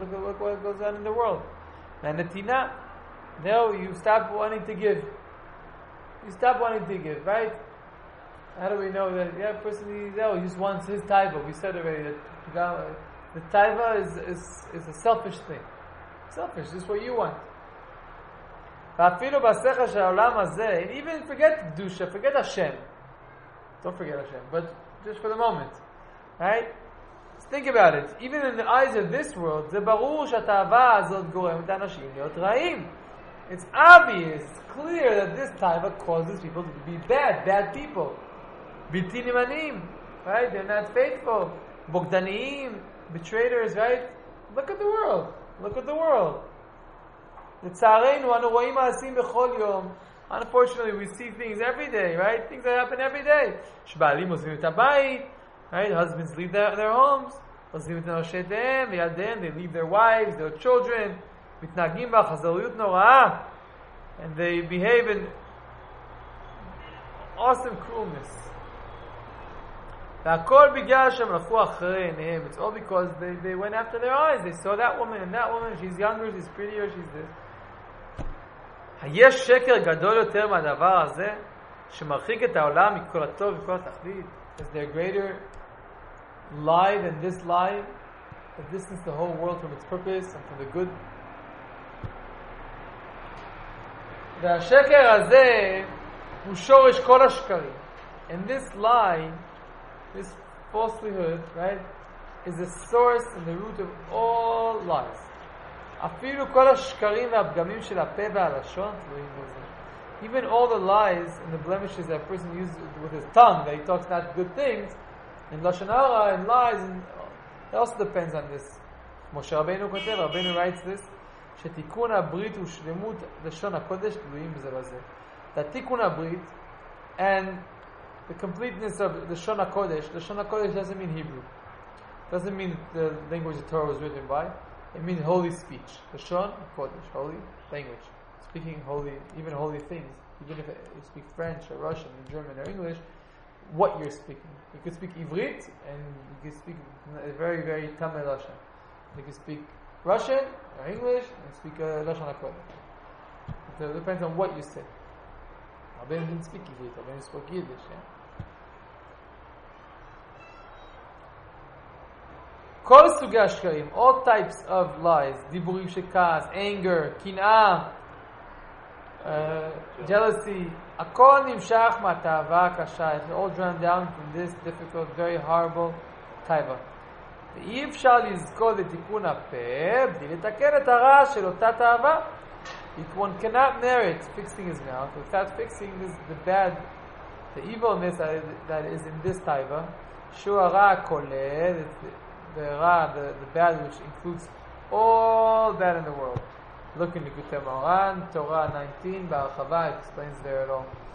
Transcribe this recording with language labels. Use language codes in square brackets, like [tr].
[en] Look what goes on in the world. מהנתינה, now you stop wanting to give. You stop wanting to give, right? How do we know that? Yeah, person, he just wants his taiva. We said already that the taiva is a selfish thing. Selfish, this is what you want. [he] ואפילו בשכל של העולם הזה, [en] and even forget [he] קדושה, [en] forget Hashem. Don't forget Hashem, but just for the moment. Right? Let's think about it. Even in the eyes of this world, [he] זה ברור שהתאווה הזאת גורמת אנשים להיות רעים. [en] It's obvious, clear that this taiva causes people to be bad, bad people. [he] בלתי נמנים, right? [en] They're not faithful. בוגדניים, betrayers, right? Look at the world. Look at the world. [he] לצערנו, אנו רואים מעשים בכל יום. [en] Unfortunately, we see things every day, right? Things that happen every day. [he] שבעלים עוזבים את הבית, right? [en] Husbands leave their homes. [he] עוזבים את נושאיהם, וילדיהם, [en] they leave their wives, their children. [he] מתנהגים בחזריות נוראה. [en] And they behave in awesome coolness. [he] והכל בגלל שהם לפו אחרי עיניהם. [en] It's all because they went after their eyes. They saw that woman and that woman. She's younger, she's prettier, she's this. [he] יש שקר גדול יותר מהדבר הזה שמרחיק את העולם מכל הטוב וכל התכלית? [en] Is there a greater lie than this lie that distances the whole world from its purpose and from the good? [he] והשקר הזה הוא שורש כל השקרים. [en] And this lie, this falsehood, right, is the source and the root of all lies. [he] אפילו כל השקרים והפגמים של הפה והלשון תלויים בזה. [en] Even all the lies and the blemishes that a person uses with his tongue, that he talks not good things, and lashon hara and lies, and it also depends on this. [he] כמו שרבינו כותב, רבינו [en] writes this, [he] שתיקון הברית ושלמות לשון הקודש תלויים בזה בזה. [en] The תיקון הברית and the completeness of לשון הקודש. לשון הקודש doesn't mean Hebrew. Doesn't mean the language the Torah was written by. It means holy speech. Lashon Kodesh, holy language. Speaking holy, even holy things. Even if you speak French or Russian or German or English, what you're speaking. You could speak Ivrit and you could speak a very, very Tamil Lashon. You could speak Russian or English and speak Lashon Kodesh. So it depends on what you say. Rabbeinu didn't speak Ivrit, Rabbeinu spoke Yiddish, yeah? [he] כל סוגי השקרים, [en] all types of lies, [he] דיבורים של כעס, [en] anger, קנאה, jealousy, [he] הכל נמשך מהתאווה הקשה, [en] it's all drawn down from this difficult, very horrible תאווה. [he] ואי אפשר לזכור לתיקון הפה, בלי לתקן את הרע של אותה תאווה. [en] If one cannot merit fixing his mouth, without fixing this, the bad, the evilness that is in this תאווה, [he] שהוא הרע הכולל, [en] the bad which includes all that in the world. Look in the Gute Moran, Torah 19, Barachava explains there at all.